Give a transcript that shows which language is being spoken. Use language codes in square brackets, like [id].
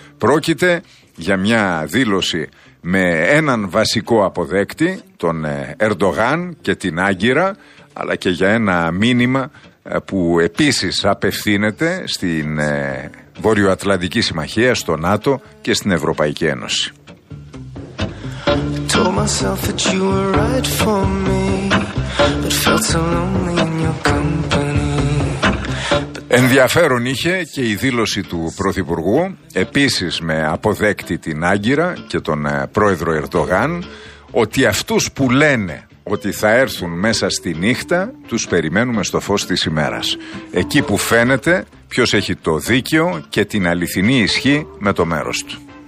[el] Πρόκειται για μια δήλωση με έναν βασικό αποδέκτη, τον Ερντογάν και την Άγκυρα, αλλά και για ένα μήνυμα που επίσης απευθύνεται στην Βορειοατλαντική Συμμαχία, στο ΝΑΤΟ και στην Ευρωπαϊκή Ένωση. [en] Told myself that you were right for me, but felt so lonely in your company. [el] Ενδιαφέρον είχε και η δήλωση του Πρωθυπουργού, επίσης με αποδέκτη την Άγκυρα και τον πρόεδρο Ερντογάν, ότι αυτούς που λένε ότι θα έρθουν μέσα στη νύχτα, τους περιμένουμε στο φως της ημέρας. Εκεί που φαίνεται ποιος έχει το δίκαιο και την αληθινή ισχύ με το μέρος του.